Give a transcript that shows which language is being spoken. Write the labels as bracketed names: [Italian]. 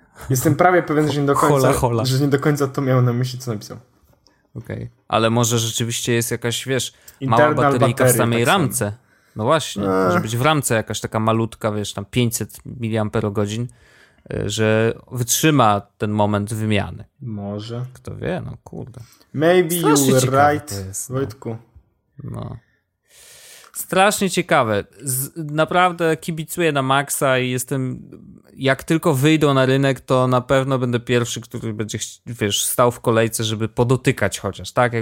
[Polish] Jestem prawie pewien, że nie do końca, że nie do końca to miał na myśli, co napisał. Okej. Okay. Ale może rzeczywiście jest jakaś, wiesz, mała bateryjka w samej ramce. No właśnie, może być w ramce jakaś taka malutka, wiesz, tam 500 mAh, że wytrzyma ten moment wymiany. Może. Kto wie, no kurde. [English] Maybe you're right, Wojtku. [Polish] No. Strasznie ciekawe. Naprawdę kibicuję na maksa i jestem, jak tylko wyjdą na rynek, to na pewno będę pierwszy, który będzie, wiesz, stał w kolejce, żeby podotykać chociaż, tak?